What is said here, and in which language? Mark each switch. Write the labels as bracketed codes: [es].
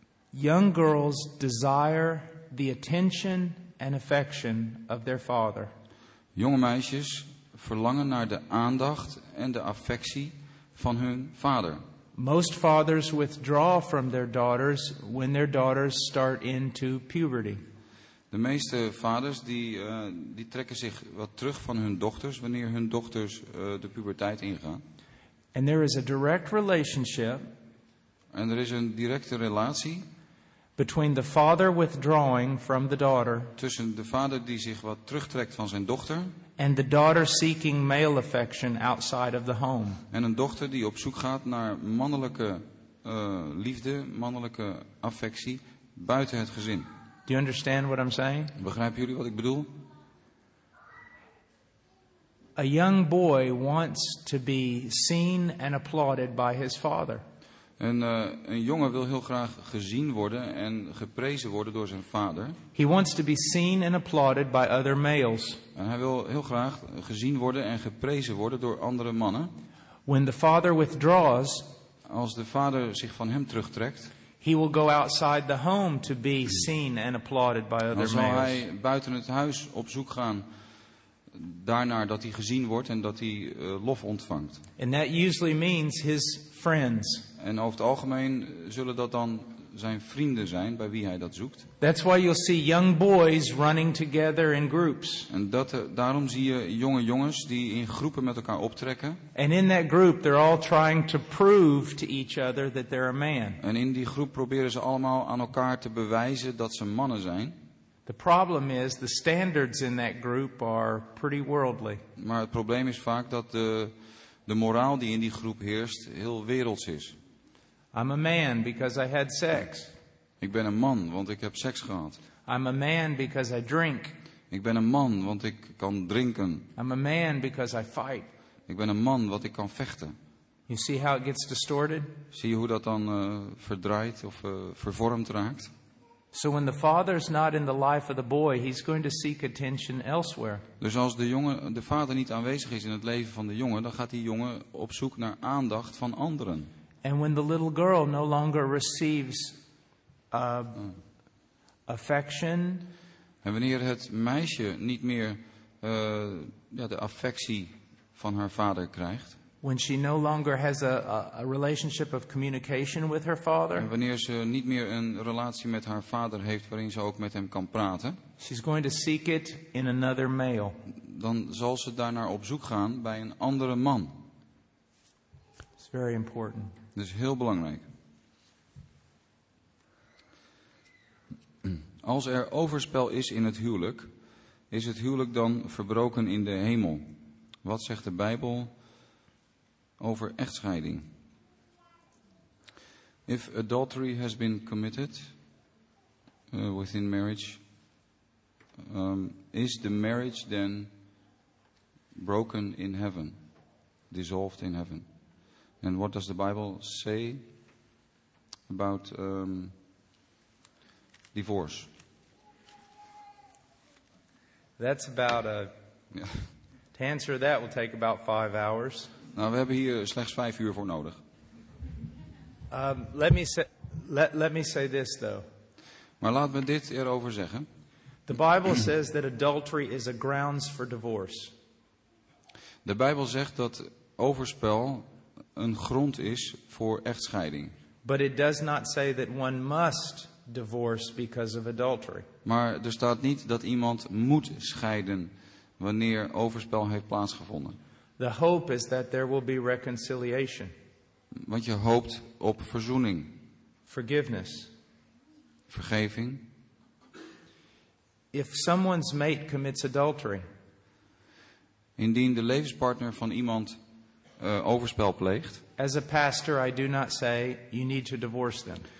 [en] Young girls desire the attention and affection of their father. [nl] Jonge meisjes verlangen naar de aandacht en de affectie van hun vader. [en] Most fathers withdraw from their daughters when their daughters start into puberty. [nl] De meeste vaders die trekken zich wat terug van hun dochters wanneer hun dochters de puberteit ingaan. [en] And there is a direct relationship. [nl] En er is een directe relatie. [en] Between the father withdrawing from the daughter. [nl] Tussen de vader die zich wat terugtrekt van zijn dochter. [en] And the daughter seeking male affection outside of the home. [nl] En een dochter die op zoek gaat naar mannelijke liefde, mannelijke affectie buiten het gezin. [en] Do you understand what I'm saying? [nl] Begrijpen jullie wat ik bedoel? [en] A young boy wants to be seen and applauded by his father. [nl] Een jongen wil heel graag gezien worden en geprezen worden door zijn vader. [en] He wants to be seen and applauded by other males. [nl] En hij wil heel graag gezien worden en geprezen worden door andere mannen. [en] When the father withdraws, [nl] als de vader zich van hem terugtrekt, [en] he will go outside the home to be seen and applauded by other males. [nl] Dan zal hij buiten het huis op zoek gaan daarnaar dat hij gezien wordt en dat hij lof ontvangt. [en] And that usually means his friends. [nl] En over het algemeen zullen dat dan zijn vrienden zijn bij wie hij dat zoekt. [en] That's why you'll see young boys running together in groups. [nl] En daarom zie je jonge jongens die in groepen met elkaar optrekken. [en] And in that group they're all trying to prove to each other that they're a man. [nl] En in die groep proberen ze allemaal aan elkaar te bewijzen dat ze mannen zijn. [en] The problem is the standards in that group are pretty worldly. [nl] Maar het probleem is vaak dat de moraal die in die groep heerst heel werelds is. [en] I'm a man because I had sex. [nl] Ik ben een man want ik heb seks gehad. [en] I'm a man because I drink. [nl] Ik ben een man want ik kan drinken. [en] I'm a man because I fight. [nl] Ik ben een man want ik kan vechten. [en] You see how it gets distorted? [nl] Zie je hoe dat dan verdraaid of vervormd raakt? [en] So when the father is not in the life of the boy, he's going to seek attention elsewhere. [nl] Dus als de vader niet aanwezig is in het leven van de jongen, dan gaat die jongen op zoek naar aandacht van anderen. [en] And when the little girl no longer receives affection. [nl] En wanneer het meisje niet meer de affectie van haar vader krijgt. [en] When she no longer has a relationship of communication with her father. [nl] En wanneer ze niet meer een relatie met haar vader heeft waarin ze ook met hem kan praten. [en] She's going to seek it in another male. [nl] Dan zal ze daarnaar op zoek gaan bij een andere man. [en] It's very important. [nl] Dat is heel belangrijk. Als er overspel is in het huwelijk, Is het huwelijk dan verbroken in de hemel? Wat zegt de Bijbel over echtscheiding? [en] If adultery has been committed within marriage, is the marriage then broken in heaven, dissolved in heaven? And what does the Bible say about divorce? That's about a... Yeah. To answer that will take about 5 hours. [nl] Nou, we hebben hier slechts 5 uur voor nodig. [en] Let me say this though. [nl] Maar laat me dit erover zeggen. [en] The Bible says that adultery is a grounds for divorce. [nl] De Bijbel zegt dat overspel een grond is voor echtscheiding. [en] But it does not say that one must divorce because of adultery. [nl] Maar er staat niet dat iemand moet scheiden wanneer overspel heeft plaatsgevonden. [en] The hope is that there will be reconciliation. [nl] Want je hoopt op verzoening. [en] Forgiveness. [nl] Vergeving. [en] If someone's mate commits adultery. [nl] Indien de levenspartner van iemand overspel pleegt. [en] As a pastor, I do not say you need to divorce them.